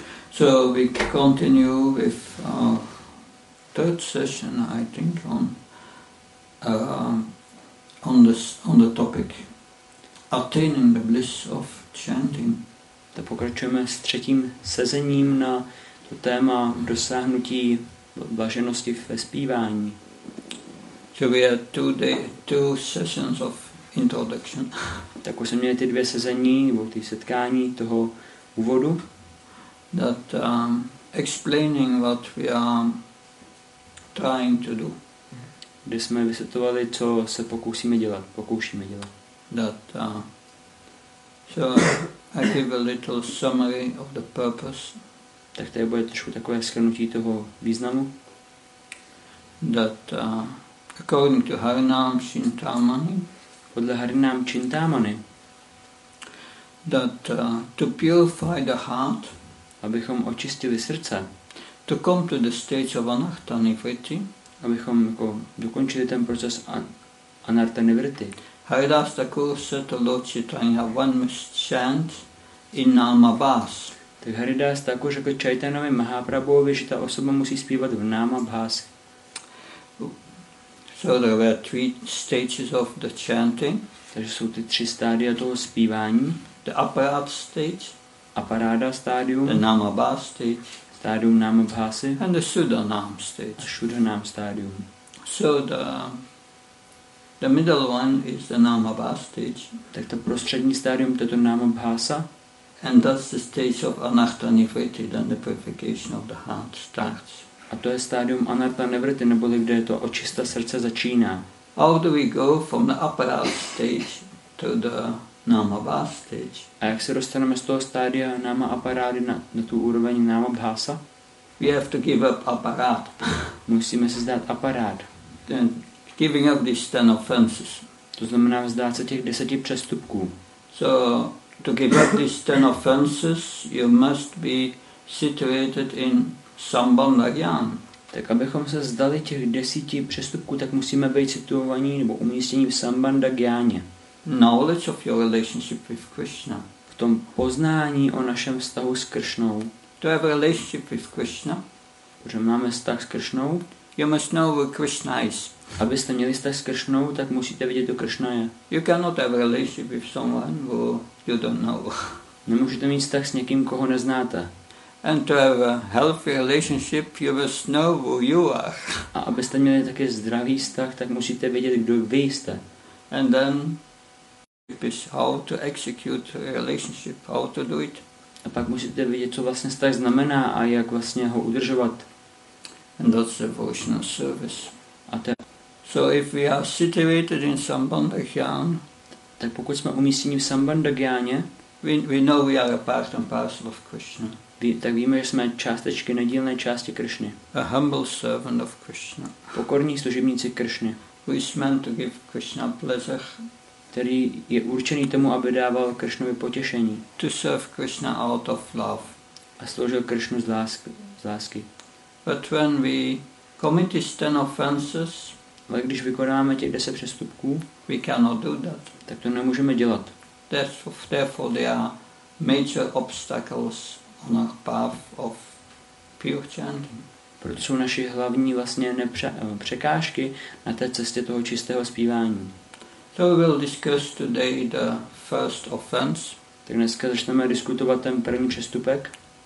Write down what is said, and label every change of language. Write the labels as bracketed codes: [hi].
[en] So we continue with our third session, I think, on the topic attaining the bliss of chanting. [cs] To pokračujeme s třetím sezením na to téma dosáhnutí blaženosti ve zpívání. [en] So we had two sessions of introduction. [cs] Tak už jsme měli ty dvě sezení, nebo ty setkání toho úvodu. [en] That explaining what we are trying to do. [cs] Kdy jsme vysvětlovali, co se pokoušíme dělat. [en] That so I give a little summary of the purpose. [cs] Tak tady bude trošku takové shrnutí toho významu. [en] That according to Harinam Chintamani. [cs] Podle Harinam Chintamani. [en] That to purify the heart. [cs] Abychom očistili srdce. [en] To come to the stage of anartha nivritti. [cs] Abychom jako dokončili ten proces anartha nivritti. [en] Haridas Thakur said to Lord Chaitanya, one must chant in Namabhas. [cs] Tak Haridas Thakur řekl Chaitanovi Mahaprabhuovi, že ta osoba musí zpívat v Namabhas. [en] So there were three stages of the chanting. [cs] Takže jsou ty tři stádia toho zpívání. [en] The aparat stage. [cs] Aparáda stádium. [en] The Namabhas stage. [cs] Stádium Namabhasy. [en] And the Sudhanam stage. [cs] A Sudhanam stádium. [en] So the middle one is the Namabhas stage. [cs] Tak to prostřední stádium, to je to Namabhasa. [en] And that's the stage of anartha nivritti, then the purification of the heart starts. [cs] A to je stádium anartha nivritti, neboli kde je to očista srdce začíná. [en] How do we go from the aparat stage to the Namabhas stage? [cs] A jak se dostaneme z toho stádia náma aparády na tu úroveň náma bhása? [en] We have to give up aparát. [cs] Musíme se zdát aparát. [en] Then giving up these 10 offenses. [cs] To znamená vzdát se těch 10 přestupků. [en] So to give up these 10 offenses, you must be situated in Sambal Nagyan. [cs] Tak abychom se zdali těch 10 přestupků, tak musíme být situovaní nebo umístění v Sambanda Gyáně. [en] Knowledge of your relationship with Krishna. [cs] V tom poznání o našem vztahu s Kršnou. [en] To have a relationship with Krishna. [cs] Protože máme vztah s Kršnou. [en] You must know who Krishna is. [cs] Abyste měli vztah s Kršnou, tak musíte vidět, kdo Kršna je. [en] You cannot have a relationship with someone who you don't know. [cs] Nemůžete mít vztah s někým, koho neznáte. [en] And to have a healthy relationship, you must know who you are. [cs] A abyste měli taky zdravý vztah, tak musíte vědět, kdo vy jste. [en] And then is how to execute a relationship, how to do it. [cs] A pak musíte vědět, co vlastně vztah znamená a jak vlastně ho udržovat. [en] And that's devotional service. [cs] A to [en] so if we are situated in Sambandha Gyan, [cs] tak pokud jsme umístěni v Sambandha Gyáně, [en] we know we are a part and parcel of Krishna. [cs] Tak víme, že jsme částečky nedílné části Kršny. [en] A humble servant of Krishna. [cs] Pokorní služebníci Kršny. [en] Who is meant to give Krishna pleasure. [cs] Který je určený tomu, aby dával Kršnovi potěšení. [en] To serve Krishna out of love. [cs] A sloužil Kršnu z lásky. [en] But when we commit these 10 offenses, [cs] ale když vykonáme těch 10 přestupků, [en] we cannot do that. [cs] Tak to nemůžeme dělat. [en] Therefore there are major obstacles on our path of pure chanting. [cs] Proto jsou naši hlavní vlastně překážky na té cestě toho čistého zpívání. [en] So we will discuss today the first offense. [cs] Tak dneska začneme diskutovat ten první přestupek.